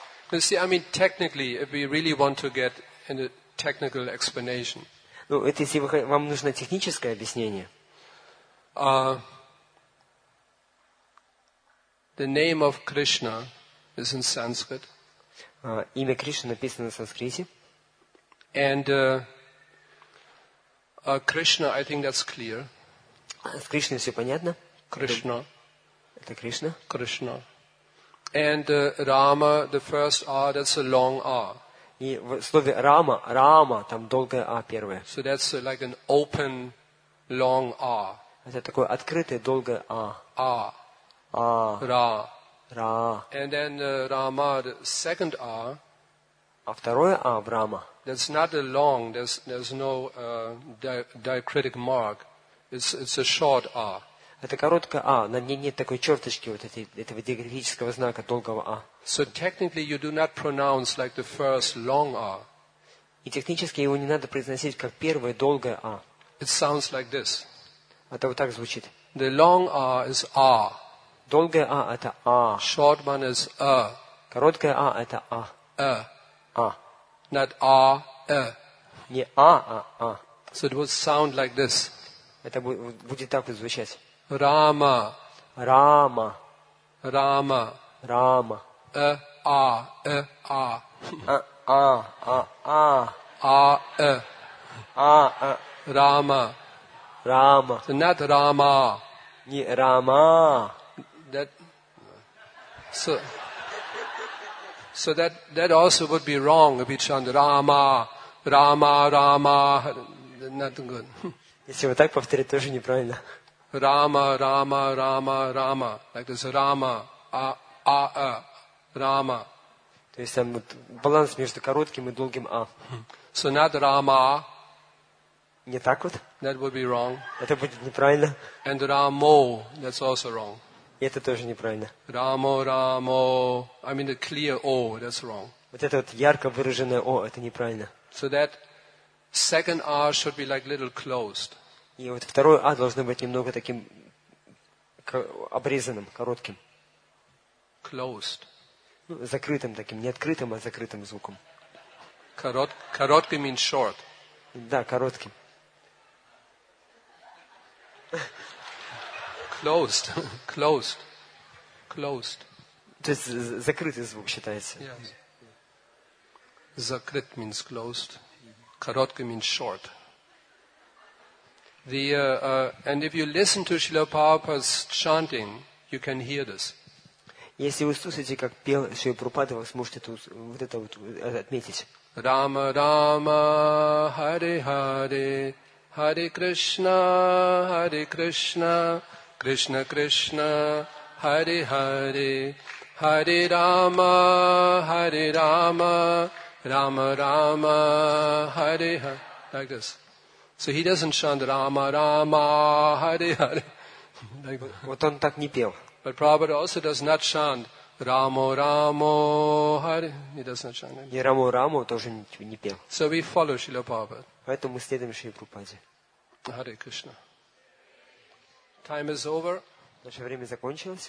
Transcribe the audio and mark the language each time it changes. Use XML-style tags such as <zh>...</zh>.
<en>You see, I mean, technically, if we really want to get a technical explanation.</en> <ru>Ну, это если вам нужно техническое объяснение.</ru> <en>The name of Krishna is in Sanskrit.</en> <ru>Имя Кришны написано на санскрите.</ru> <en>And Krishna, I think that's clear.</en> <ru>С Кришной все понятно.</ru> <en>Krishna.</en> <ru>Это Кришна.</ru> <en>Krishna. And Rama, the first R, that's a long R.</en> <ru>И в слове Рама, Рама, там долгое А первое.</ru> <en>So that's like an open, long R.</en> <ru>Это такое открытое, долгое А. А. А. Ра. Ра.</ru> <en>And then Rama, the second R.</en> <ru>А второе А в Рама.</ru> <en>That's not a long, there's no diacritic mark. It's a short R.</en> <ru>Это короткое А, на ней нет такой черточки вот этого диакритического знака долгого А.</ru> <en>So technically you do not pronounce like the first long A.</en> <ru>И технически его не надо произносить как первое долгое А.</ru> <en>It sounds like this.</en> <ru>Это вот так звучит.</ru> <en>The long A is A.</en> <ru>Долгое А это А.</ru> <en>Short one is A.</en> <ru>Короткое А это А.</ru> <en>A. A. Not A, A.</en> <ru>Не А, а А.</ru> <en>So it would sound like this.</en> <ru>Это будет так вот звучать. Рама. Рама. Рама. Рама. Э, а, э, а. А, а, а, а. А, э. А, э. Рама. Рама.</ru> <en>So not Рама.</en> <ru>Не Рама.</ru> <en>That, so that also would be wrong if you chant Рама. Рама, Рама. Not good.</en> <ru>Если вы так повторите, тоже неправильно.</ru> <en>Rama, Rama, Rama, Rama. Like this, Rama, A, Rama.</en> <ru>То есть там баланс между коротким и долгим А.</ru> <en>So not Rama.</en> <ru>Не так вот?</ru> <en>That would be wrong.</en> <ru>Это будет неправильно.</ru> <en>And Ramo, that's also wrong.</en> <ru>И это тоже неправильно.</ru> <en>Ramo, Ramo. I mean the clear O, that's wrong.</en> <ru>Вот это вот ярко выраженное О, это неправильно.</ru> <en>So that second R should be like little closed.</en> <ru>И вот второе А должно быть немного таким обрезанным, коротким.</ru> <en>Closed.</en> <ru>Ну, закрытым таким, не открытым, а закрытым звуком.</ru> <en>Короткий means short.</en> <ru>Да, коротким.</ru> <en>Closed. Closed. Closed.</en> <ru>То есть закрытый звук считается.</ru> <en>Закрыт means closed. Короткий means short. And if you listen to Srila Prabhupada's chanting, you can hear this.</en> <ru>Если вы слушаете, как пел Шрила Прабхупада, вы сможете тут вот это вот отметить. Рама, Рама, Хари, Хари, Хари Кришна, Хари Кришна, Кришна, Кришна, Хари, Хари, Хари Рама, Хари Рама, Рама, Рама, Хари, Хари.</ru> <en>Like this. So he doesn't chant Рама, Рама, Хари, Хари.</en> <ru>Вот он так не пел.</ru> <en>But Prabhupada also does not chant Рамо, Рамо, Хари. He does not chant</en> <ru>it. И Рамо, Рамо тоже не пел.</ru> <en>So we follow Шрила Прабхупада.</en> <ru>Поэтому мы следуем Шриле Прабхупаде.</ru> <en>Hare Krishna. Time is over.</en> <ru>Наше время закончилось.</ru>